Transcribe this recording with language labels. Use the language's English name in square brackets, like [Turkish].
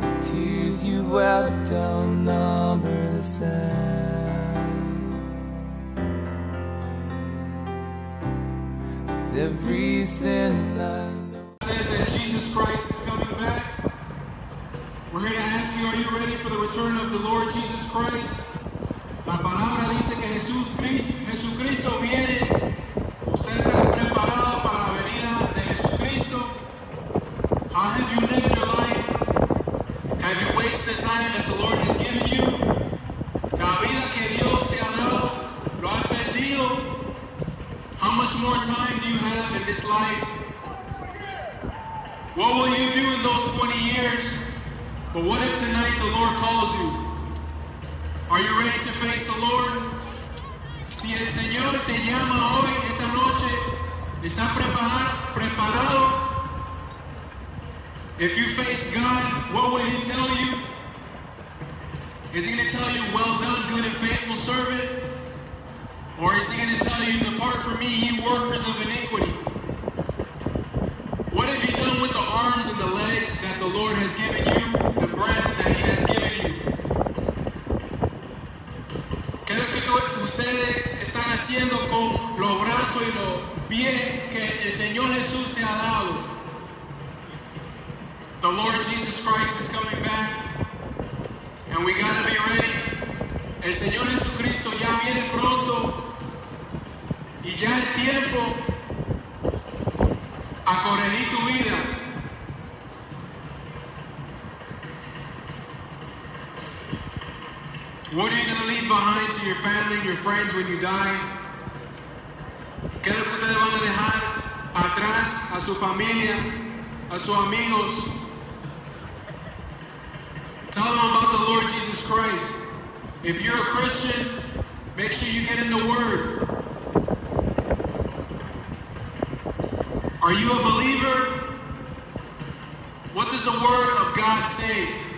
[English] The tears you wept outnumber the sands. With every sin I Christ is coming back. We're here to ask you, are you ready for the return of the Lord Jesus Christ? [Spanish] La palabra dice que Jesucristo viene. ¿Usted está preparado para la venida de Jesucristo? [English] How have you lived your life? Have you wasted the time that the Lord has given you? [Spanish] La vida que Dios te ha dado, ¿lo has perdido? [English] How much more time do you have in this life? What will you do in those 20 years? But what if tonight the Lord calls you? Are you ready to face the Lord? [Spanish] Si el Señor te llama hoy, esta noche, ¿estás preparado? [English] If you face God, what will He tell you? Is He going to tell you, well done, good and faithful servant? Or is He going to tell you, depart from me, ye workers of iniquity? What have you done with the arms and the legs that the Lord has given you, the breath that He has given you? [Spanish] ¿Qué es lo que ustedes están haciendo con los brazos y los pies que el Señor Jesús te ha dado? [English] The Lord Jesus Christ is coming back, and we gotta be ready. [Spanish] El Señor Jesucristo ya viene pronto, y ya es tiempo a corregir tu vida. [English] What are you going to leave behind to your family and your friends when you die? [Spanish] ¿Qué es lo que ustedes van a dejar atrás a su familia, a sus amigos? [English] Tell them about the Lord Jesus Christ. If you're a Christian, make sure you get in the Word. Are you a believer? What does the word of God say?